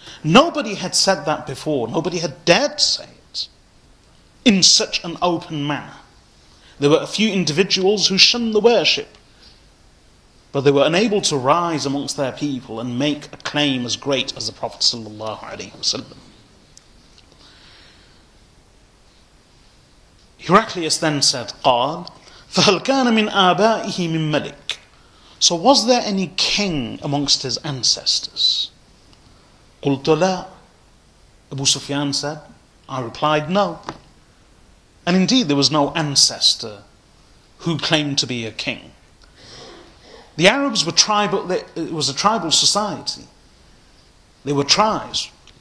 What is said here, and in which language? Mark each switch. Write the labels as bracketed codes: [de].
[en] Nobody had said that before. Nobody had dared to say it in such an open manner. There were a few individuals who shunned the worship, but they were unable to rise amongst their people and make a claim as great as the Prophet sallallahu alaihi wasallam. Heraclius then said, [ar] قال فَهَلْ كَانَ مِنْ آبَائِهِ مِنْ مَلِكٍ. [en] So was there any king amongst his ancestors? [ar] قُلْتُ لَا. [en] Abu Sufyan said, I replied, no. And indeed there was no ancestor who claimed to be a king. The Arabs were tribal, it was a tribal society. They were tribes.